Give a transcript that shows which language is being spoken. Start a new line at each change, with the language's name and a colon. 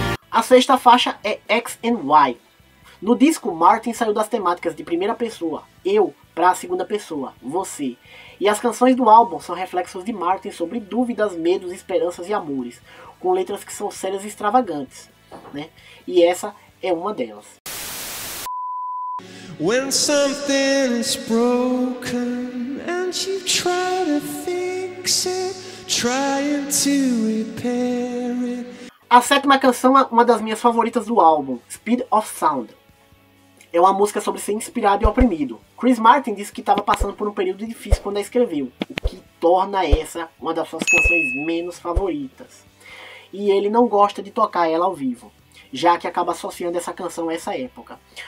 Portuguese: A sexta faixa é X and Y. No disco, Martin saiu das temáticas de primeira pessoa, eu, para a segunda pessoa, você. E as canções do álbum são reflexos de Martin sobre dúvidas, medos, esperanças e amores, com letras que são sérias e extravagantes, né? E essa é uma delas.
English: When something is broken and you try to fix it, trying to repair it.
Portuguese: A sétima canção é uma das minhas favoritas do álbum, Speed of Sound. É uma música sobre ser inspirado e oprimido. Chris Martin disse que estava passando por um período difícil quando a escreveu, o que torna essa uma das suas canções menos favoritas. E ele não gosta de tocar ela ao vivo, já que acaba associando essa canção a essa época.